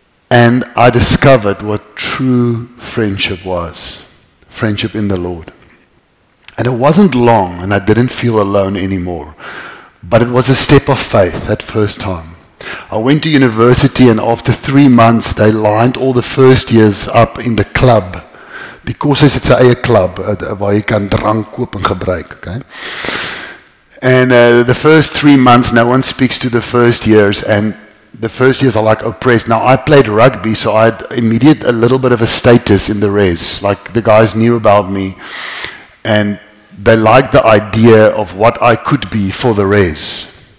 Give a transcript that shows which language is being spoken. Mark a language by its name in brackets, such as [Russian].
[English] And I discovered what true friendship was, friendship in the Lord. And it wasn't long, and I didn't feel alone anymore. But it was a step of faith that first time. I went to university, and after 3 months, they lined all the first years up in the club. [Afrikaans] Die kursus het sy eie club, waar jy kan drank koop en gebruik, okay? [English] And the first 3 months, no one speaks to the first years, and the first years are like oppressed. Now, I played rugby, so I had immediate a little bit of a status in the res. Like, the guys knew about me, and they liked the idea of what I could be for the res.